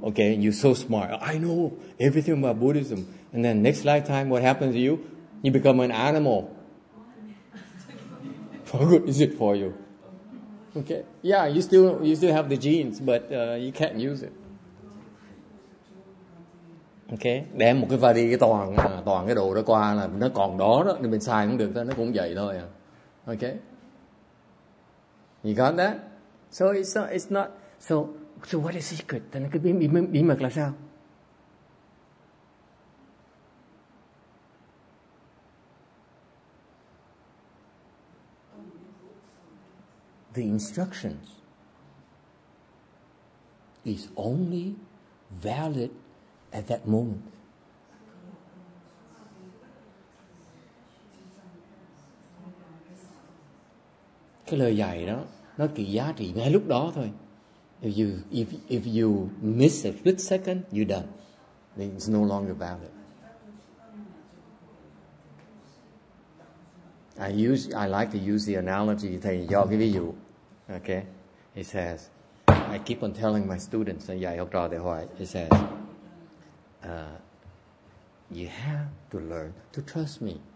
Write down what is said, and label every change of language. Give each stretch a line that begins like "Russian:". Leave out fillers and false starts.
English: Okay, and you're so smart. I know everything about Buddhism. And then next lifetime, what happens to you? You become an animal. How good is it for you? Okay. Yeah, you still have the genes, but you can't use it. Okay.
Vietnamese: Đem một cái vali cái toàn cái đồ đó qua là nó còn đó đó thì mình xài cũng được, nó cũng vậy thôi.
English: Okay. You got that? So it's not so what is secret?
Vietnamese: Then cái bí mật là sao?
English: The instructions is only valid at that moment.
Vietnamese: Cái lời dạy đó nó chỉ giá trị ngay lúc đó thôi.
English: If you miss a split second, you're done. Then it's no longer valid. I like to use the analogy,
Vietnamese: thầy cho cái ví dụ.
English: Okay, he says, I keep on telling my students, and
Vietnamese: dạy học trò thì hỏi,
English: he says, you have to learn to trust me.